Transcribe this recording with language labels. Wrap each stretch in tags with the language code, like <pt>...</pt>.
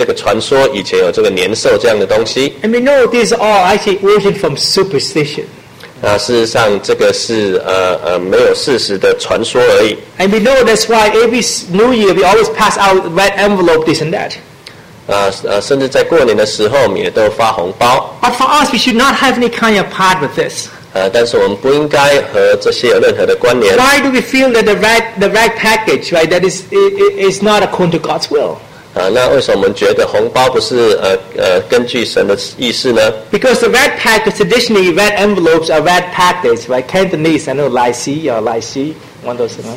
<zh>那庆祝的原因就是根据这个传说，以前有这个年兽这样的东西。</zh> <en>And we know these are actually origin from superstition.</en> <zh>事实上这个是没有事实的传说而已。</zh> <en>And we know that's why every New Year we always pass out red envelope this and that.</en> <zh>甚至在过年的时候，我们也都发红包。</zh> <en>But for us, we should not have any kind of part with this.</en> <zh>但是我们不应该和这些有任何的关联。</zh> <en>Why do we feel that the right package, right, that is not according to God's will?</en> <zh>那为什么我们觉得红包不是根据神的意思呢？</zh> <en>Because the red package, traditionally red envelopes are red package, right? Cantonese, I know, Lai Si or Lai Si, one of those.</en>